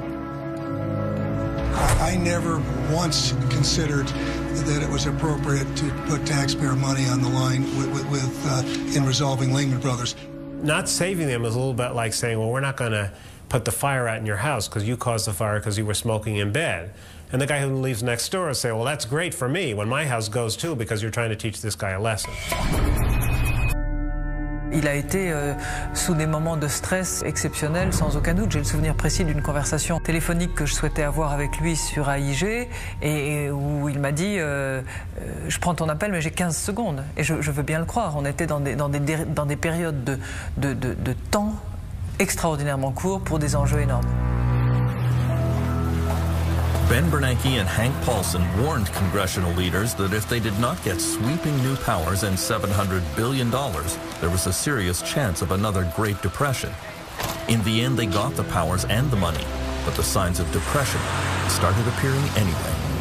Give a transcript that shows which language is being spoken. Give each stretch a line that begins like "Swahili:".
English: I never once considered that it was appropriate to put taxpayer money on the line in resolving Lehman Brothers. Not saving them is a little bit like saying, well, we're not going to put the fire out in your house because you caused the fire because you were smoking in bed. And the guy who lives next door will say, well, that's great for me when my house goes too because you're trying to teach this guy a lesson.
French: Il a été sous des moments de stress exceptionnels, sans aucun doute. J'ai le souvenir précis d'une conversation téléphonique que je souhaitais avoir avec lui sur AIG et où il m'a dit « Je prends ton appel, mais j'ai 15 secondes. » Et je veux bien le croire. On était dans des périodes de temps extraordinairement courts pour des enjeux énormes.
English: Ben Bernanke and Hank Paulson warned congressional leaders that if they did not get sweeping new powers and $700 billion, there was a serious chance of another Great Depression. In the end, they got the powers and the money, but the signs of depression started appearing anyway.